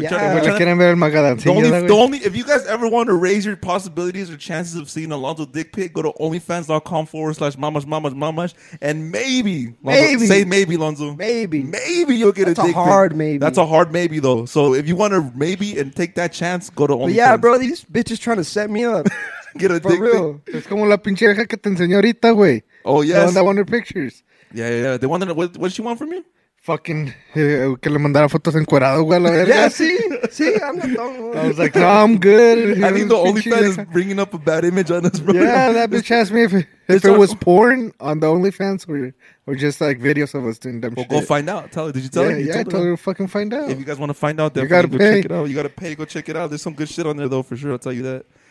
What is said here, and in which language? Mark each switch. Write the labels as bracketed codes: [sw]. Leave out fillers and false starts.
[en] If you guys ever want to raise your possibilities or chances of seeing Alonzo dick pic, go to onlyfans.com/mamas and maybe you'll get That's a hard maybe. That's a hard maybe though. So if you want to maybe and take that chance, go to OnlyFans. But yeah, bro, these bitches trying to set me up. Get a for dick real. [es] Es como la pinche vieja que te enseñó ahorita, güey. [en] Oh yes. The one that wanted pictures. Yeah. They wanted what did she want from you? [es] Fucking que le mandara fotos encuerado, güey, a la verga. [en] Yeah, sí, I'm not wrong. I was like, no, I'm good. I think the OnlyFans is bringing up a bad image on us, bro. Yeah, that bitch asked me if it was porn on the OnlyFans or just like videos of us doing dumb shit. Well, go find out. Tell her. Did you tell her? Yeah, I told her to fucking find out. If you guys want to find out, then go check it out. You gotta pay. Go check it out. There's some good shit on there, though, for sure. I'll tell you that.